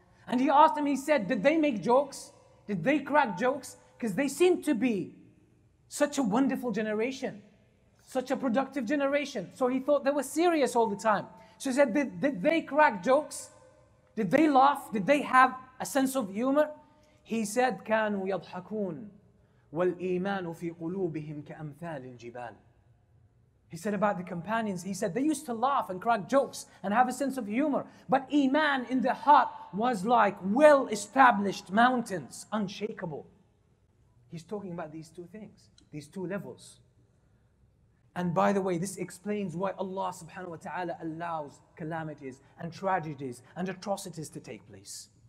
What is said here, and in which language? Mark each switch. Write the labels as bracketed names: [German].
[English] And he asked him, he said, did they make jokes? Did they crack jokes? Because they seem to be such a wonderful generation, such a productive generation. So he thought they were serious all the time. So he said, did they crack jokes? Did they laugh? Did they have a sense of humor? He said, [Arabic] كانوا يضحكون والإيمان في قلوبهم كأمثال الجبال. [English] He said about the companions, he said, they used to laugh and crack jokes and have a sense of humor. But Iman in their heart was like well-established mountains, unshakable. He's talking about these two things, these two levels. And by the way, this explains why Allah subhanahu wa ta'ala allows calamities and tragedies and atrocities to take place.